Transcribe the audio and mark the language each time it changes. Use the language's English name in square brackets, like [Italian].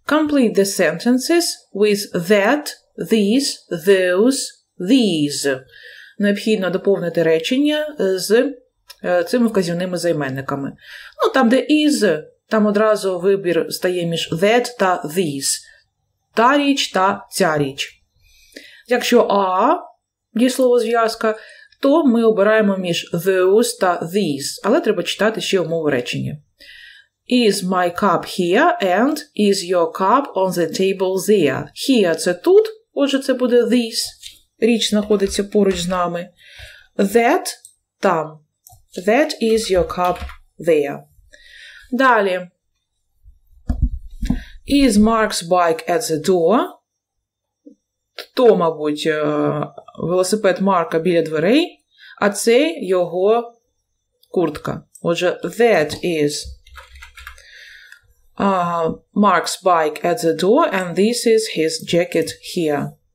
[English] Complete the sentences with that, this, those, these. [Ukrainian] Необхідно доповнити речення з цими вказівними займенниками. Ну, там, де is, там одразу вибір стає між that та these. Та річ та ця річ. Якщо «а» дієслово-зв'язка, то ми обираємо між «those» та «these», але треба читати ще умови речення. [English] «Is my cup here?» and «Is your cup on the table there?» «Here» – [Ukrainian] це тут, Отже, це буде this. Річ знаходиться поруч з нами. [English] That – там. That is your cup there. Далі. Is Mark's bike at the door? [Ukrainian] То, мабуть, велосипед Марка біля дверей, а це його куртка. [English] Отже, that is Mark's bike at the door, and this is his jacket here.